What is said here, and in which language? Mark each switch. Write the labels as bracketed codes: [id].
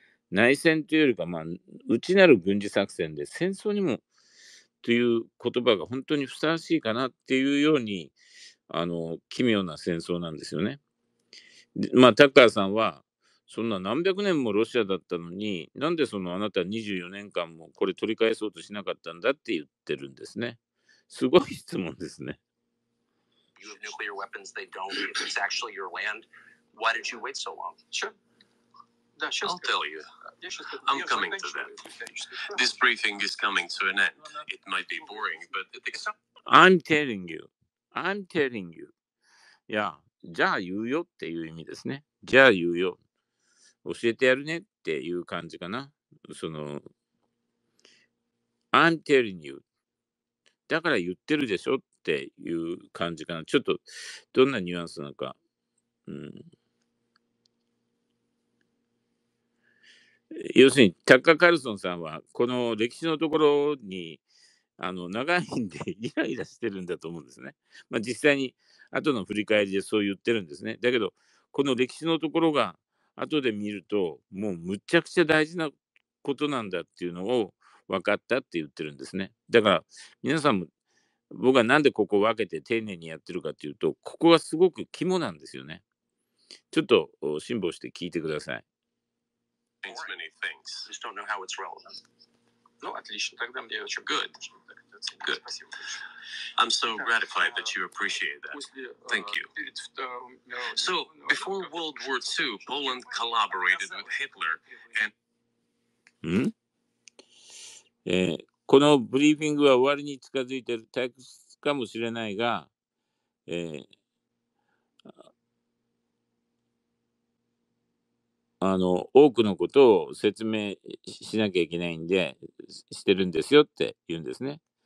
[ja] 内戦というよりか、まあ、内なる軍事作戦で、戦争にもという言葉が本当にふさわしいかなっていうように、奇妙な戦争なんですよね。まあ、タッカーさんは、そんな何百年もロシアだったのに、なんでそのあなた24年間もこれ取り返そうとしなかったんだって言ってるんですね。すごい質問ですね。 [en] You have nuclear weapons, they don't. It's actually your land. Why did you wait so long? Sure. I'll tell you. I'm coming to that. This briefing is coming to an end. It might be boring, but I'm telling you. I'm telling you. [ja] いや、じゃあ言うよっていう意味ですね。じゃあ言うよ。教えてやるねっていう感じかな。 [en] その、I'm telling you. [ja] だから言ってるでしょっていう感じかな。ちょっと、どんなニュアンスなのか。うん、要するにタッカー・カルソンさんはこの歴史のところに長いんでイライラしてるんだと思うんですね。まあ、実際に後の振り返りでそう言ってるんですね。だけどこの歴史のところが後で見るともうむちゃくちゃ大事なことなんだっていうのを分かったって言ってるんですね。だから皆さんも、僕はなんでここを分けて丁寧にやってるかっていうと、ここがすごく肝なんですよね。ちょっと辛抱して聞いてください。 [en] Many things. I just don't know how it's relevant. No, at least you took them. Yeah, which are good. Good. I'm so gratified that you appreciate that. Thank you. So, before World War II, Poland collaborated with Hitler and... [ja] このブリーフィングは終わりに近づいてる、退屈かもしれないが、多くのことを説明しなきゃいけないんで、してるんですよって言うんですね。